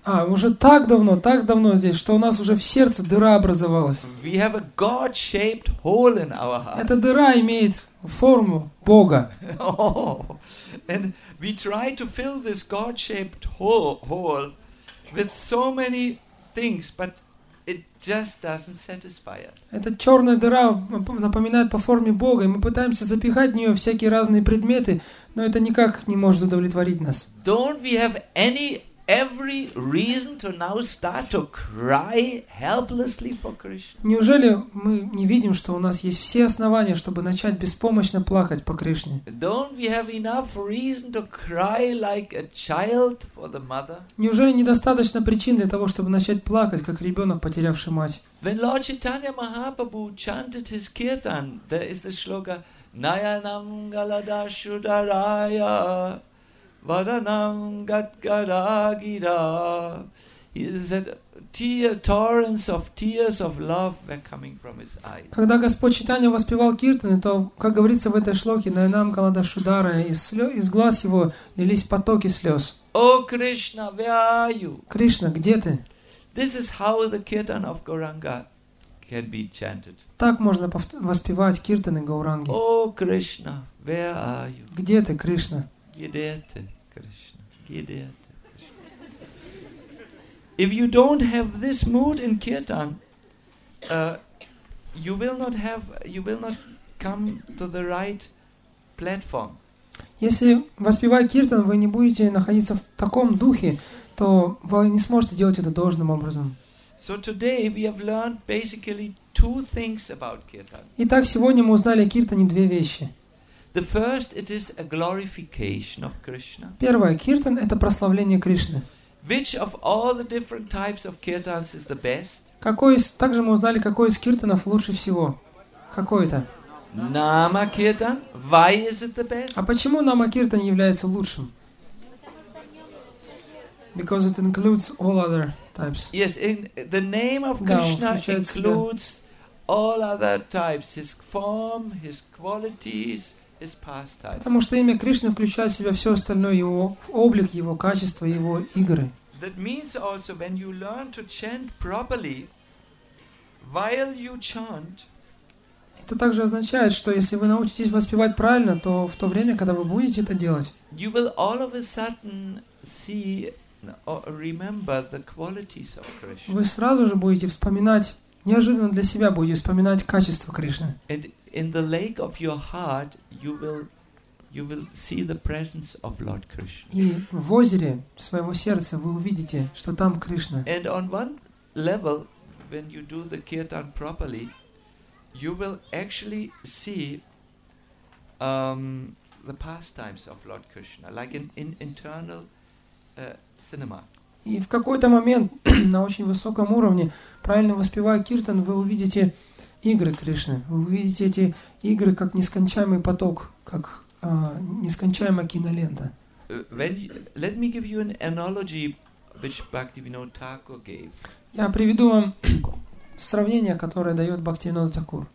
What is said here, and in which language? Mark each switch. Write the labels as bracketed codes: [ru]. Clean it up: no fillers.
[ru] Уже так давно здесь, что у нас уже в сердце дыра образовалась. [en] We have a God-shaped hole in our heart. [ru] Эта дыра имеет форму Бога. [en] And we try to fill this God-shaped hole with so many things, but it just doesn't satisfy us. [ru] Эта черная дыра напоминает по форме Бога, и мы пытаемся запихать в нее всякие разные предметы, но это никак не может удовлетворить нас. [en] Don't we have any every reason to now start to cry helplessly for Krishna? [ru] Неужели мы не видим, что у нас есть все основания, чтобы начать беспомощно плакать по Кришне? [en] Don't we have enough reason to cry like a child for the mother? [ru] Неужели недостаточно причин для того, чтобы начать плакать, как ребенок, потерявший мать? [en] When Lord Chaitanya Mahaprabhu chanted his kirtan, there is the shloka [sa] Nayanam Galadashudaraya. Vadanam gadgada gira. [en] He said, torrents of tears of love were coming from his eyes. [ru] Когда Господь Читания воспевал киртаны, то, как говорится в этой шлоке, [sa] Найнам Галадашудара, [ru] из глаз его лились потоки слез. [en] О, Кришна, where are you? [ru] Кришна, где ты? [en] This is how the kirtan of Gauranga can be chanted. [ru] Так можно воспевать киртаны Гауранги. [en] О, Кришна, where are you? [ru] Где ты, Кришна? Где ты, Кришна? Где ты, Кришна? [en] If you don't have this mood in kirtan, you will not come to the right platform. [ru] Если воспевая киртан, вы не будете находиться в таком духе, то вы не сможете делать это должным образом. [en] So today we have learned basically two things about kirtan. [ru] Итак, сегодня мы узнали о киртане две вещи. [en] The first, it is a glorification of Krishna. [ru] Первое, киртан — это прославление Кришны. [en] Which of all the different types of kirtans is the best? [ru] Какой из, также мы узнали, какой из киртанов лучше всего. Какой это? [en] Нама киртан. Why is it the best? [ru] А почему нама киртан является лучшим? [en] Because it includes all other types. Yes, in the name of Krishna includes all other types. His form, his qualities. [ru] Потому что имя Кришны включает в себя все остальное, его облик, его качество, его игры. [en] That means also when you learn to chant properly, while you chant. [ru] Это также означает, что если вы научитесь воспевать правильно, то в то время, когда вы будете это делать, [en] you will all of a sudden see or remember the qualities of Krishna. [ru] Вы сразу же будете вспоминать, неожиданно для себя будете вспоминать качества Кришны. [en] In the lake of your heart, you will see the presence of Lord Krishna. [ru] И в озере своего сердца вы увидите, что там Кришна. [en] And on one level, when you do the kirtan properly, you will actually see the pastimes of Lord Krishna, like in internal cinema. [ru] И в какой-то момент на очень высоком уровне, правильно воспевая киртан, вы увидите игры Кришны. Вы увидите эти игры как нескончаемый поток, как нескончаемая кинолента. [en] Let me give you an analogy which Bhaktivinoda Thakur gave. [ru] Я приведу вам сравнение, которое дает Бхактивинода Такур.